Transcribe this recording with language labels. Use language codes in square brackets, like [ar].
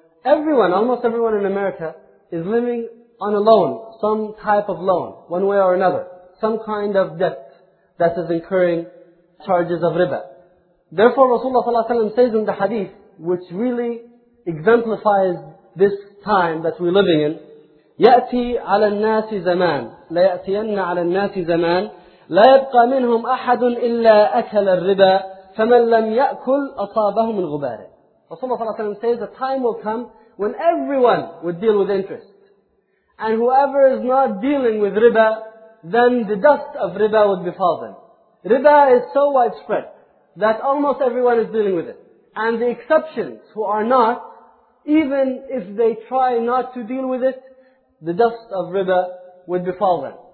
[en] Everyone, almost everyone in America is living on a loan, some type of loan, one way or another. Some kind of debt that is incurring charges of riba. [ar] Therefore, Rasulullah sallallahu alayhi wa sallam says in the hadith, which really exemplifies this time that we're living in, يَأْتِي عَلَى النَّاسِ زَمَانٍ لَيَأْتِيَنَّ عَلَى النَّاسِ زَمَانٍ لَا يَبْقَى مِنْهُمْ أَحَدٌ إِلَّا أَكَلَ الرِّبَى فَمَنْ لَمْ يَأْكُلْ أَصَابَهُمُ الْغُبَارِ. [en] Rasulullah ﷺ says, a time will come when everyone would deal with interest. And whoever is not dealing with riba, then the dust of riba would befall them. Riba is so widespread that almost everyone is dealing with it. And the exceptions who are not, even if they try not to deal with it, the dust of riba would befall them.